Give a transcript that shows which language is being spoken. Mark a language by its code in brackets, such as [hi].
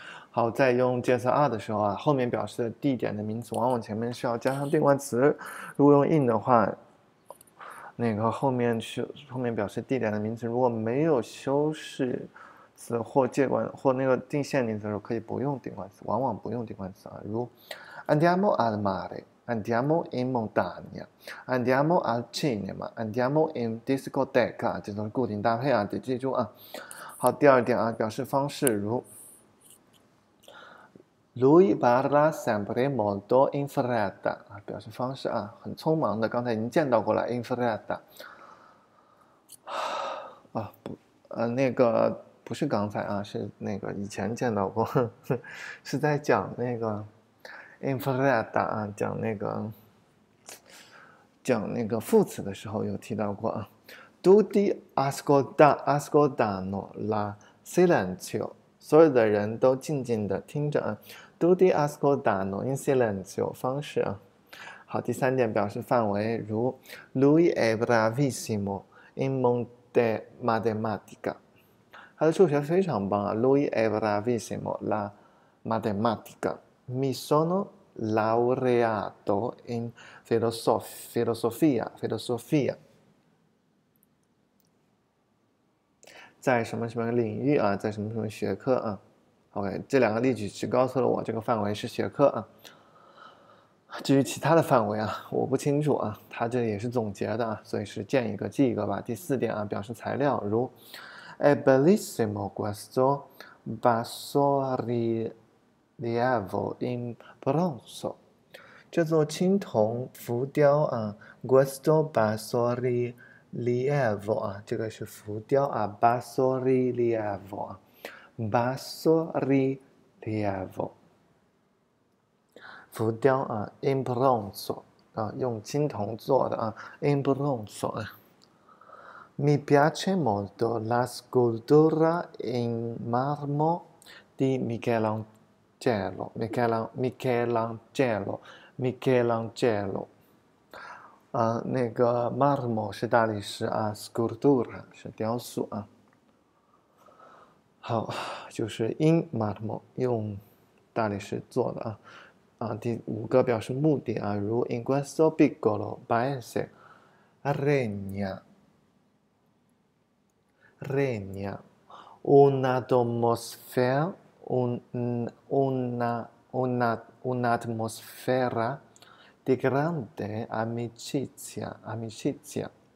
[zh] 好，在用介词 are 的时候啊，后面表示的地点的名词往往前面是要加上定冠词，如果用 in 的话，那个后面表示地点的名词如果没有修饰。词或介冠或那个定限定词的时候，可以不用定冠词，往往不用定冠词啊。 [it] 如 Andiamo al mare, Andiamo in montagna, Andiamo al cinema, Andiamo in discoteca， [zh] 这都是固定搭配啊，得记住啊。好，第二点啊，表示方式如 [it] Lui parla sempre molto in fretta [zh] 啊，表示方式啊，很匆忙的，刚才已经见到过了 in fretta 啊，不，那个。不是刚才啊，是那个以前见到过，是在讲那个 infretta 啊，讲那个副词的时候有提到过啊。 [it] Tutti ascoltano la silenzio， [zh] 所有的人都静静的听着啊。 [it] Tutti ascoltano in silenzio [zh] 方式啊。 好，第三点表示范围，如 [it] Lui è bravissimo in monte matematica。 [zh] 他的数学非常棒啊， [it] Lui è bravissimo la matematica. Mi sono laureato in filosofia. [zh] 在什么什么领域啊，在什么什么学科啊？OK，这两个例举只告诉了我这个范围是学科啊。至于其他的范围啊，我不清楚啊。他这也是总结的啊，所以是见一个记一个吧。第四点啊，表示材料如。 [it] È bellissimo questo bassorilievo in bronzo。 [zh] 这座青铜浮雕啊，questo bassorilievo 啊，这个是浮雕啊，bassorilievo 啊，bassorilievo，浮雕啊，in bronzo 啊，用青铜做的啊，in bronzo 啊。 [it] Mi piace molto la scultura in marmo di Michelangelo。 [zh] 那个 marmo 是大理石啊，scultura 是雕塑啊。好，就是 in marmo 用大理石做的啊。第五个表示目的啊，如 [it] in questo piccolo paese regna。 Regna un'atmosfera di grande amicizia.